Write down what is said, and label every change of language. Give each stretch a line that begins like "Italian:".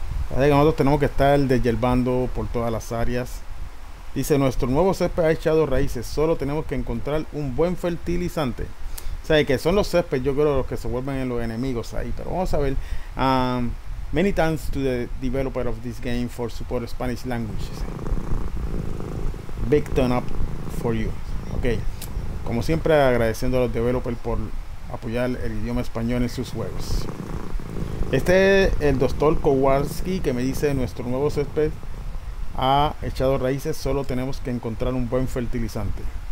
Spanish: Nosotros tenemos que estar deshiervando por todas las áreas. Dice, nuestro nuevo césped ha echado raíces, solo tenemos que encontrar un buen fertilizante. O sea, que son los céspedes, yo creo, los que se vuelven en los enemigos ahí, pero vamos a ver.
English: Many thanks to the developer of this game for support Spanish language. Big turn up for you. Ok.
Spanish: Como siempre, agradeciendo a los developers por apoyar el idioma español en sus juegos. Este es el Dr. Kowalski, que me dice, nuestro nuevo césped ha echado raíces, solo tenemos que encontrar un buen fertilizante.